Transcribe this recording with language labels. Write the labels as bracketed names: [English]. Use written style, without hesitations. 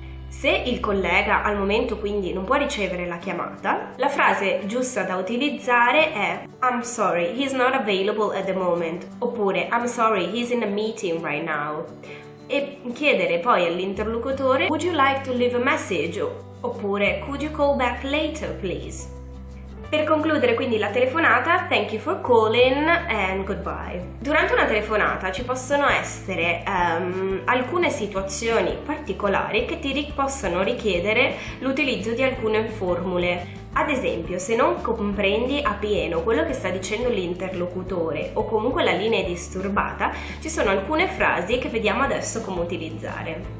[Italian] Se il collega al momento quindi non può ricevere la chiamata, la frase giusta da utilizzare è [English] I'm sorry, he's not available at the moment, [Italian] oppure [English] I'm sorry, he's in a meeting right now. [Italian] E chiedere poi all'interlocutore [English] Would you like to leave a message? [Italian] Oppure [English] Could you call back later, please? [Italian] Per concludere quindi la telefonata, [English] thank you for calling and goodbye. [Italian] Durante una telefonata ci possono essere alcune situazioni particolari che possono richiedere l'utilizzo di alcune formule. Ad esempio, se non comprendi appieno quello che sta dicendo l'interlocutore o comunque la linea è disturbata, ci sono alcune frasi che vediamo adesso come utilizzare.